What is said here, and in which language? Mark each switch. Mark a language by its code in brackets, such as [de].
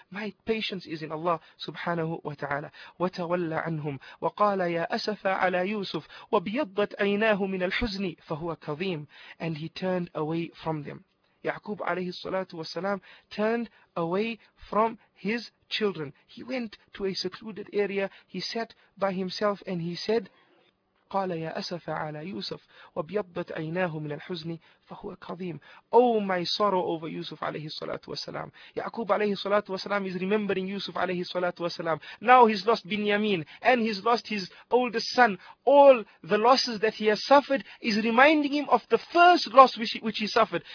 [en] My patience is in Allah subhanahu wa ta'ala. [ar] وَتَوَلَّ عَنْهُمْ وَقَالَ يَا أَسَفَ عَلَى يُوسُفْ وَبِيَضَّتْ أَيْنَاهُ مِنَ الْحُزْنِ فَهُوَ كَظِيمٌ. [en] And he turned away from them. Ya'qub alayhi salatu wasalam turned away from his children. He went to a secluded area. He sat by himself and he said, [ar] قَالَ يَا أَسَفَ عَلَى يُوسَفْ وَبْيَضَّتْ أَيْنَاهُ مِنَ الْحُزْنِ فهو كظيم. [en] Oh, my sorrow over Yusuf عليه الصلاة والسلام. [ar] يعقوب عليه الصلاة والسلام [en] is remembering Yusuf [ar] عليه الصلاة والسلام. [en] Now he's lost Binyamin and he's lost his oldest son. All the losses that he has suffered is reminding him of the first loss which he suffered.